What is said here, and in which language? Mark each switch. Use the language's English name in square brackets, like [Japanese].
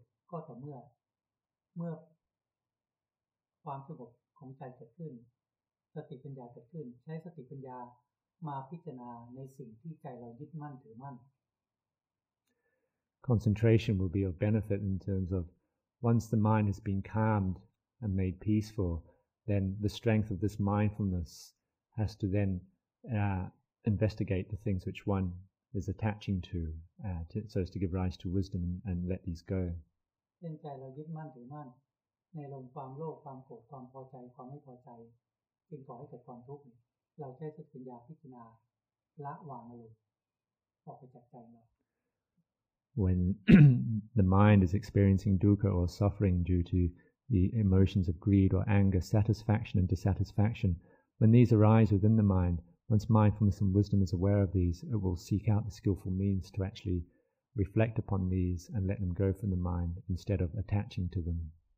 [Thai] ก็ต่อเมื่อความสงบของใจเกิดขึ้นสติปัญญาเกิดขึ้นใช้สติปัญญามาพิจารณาในสิ่งที่ใจเรายึดมั่นถือมั่น [English] Concentration will be of benefit in terms of once the mind has been calmed and made peaceful then the strength of this mindfulness has to then investigate the things which one is attaching to so as to give rise to wisdom and let these go [Thai] เป็นใจเรายึดมั่นถือมั่นในลมความโลภความโกรธความพอใจความไม่พอใจ เป็นก่อให้เกิดความทุกข์เราใช้สติปัญญาพิจารณาละวางอารมณ์ออกไปจากใจเรา [English] When the mind is experiencing dukkha or suffering due to the emotions of greed or anger, satisfaction and dissatisfaction, when these arise within the mind, once mindfulness and wisdom is aware of these, it will seek out the skillful means to actually reflect upon these and let them go from the mind instead of attaching to them.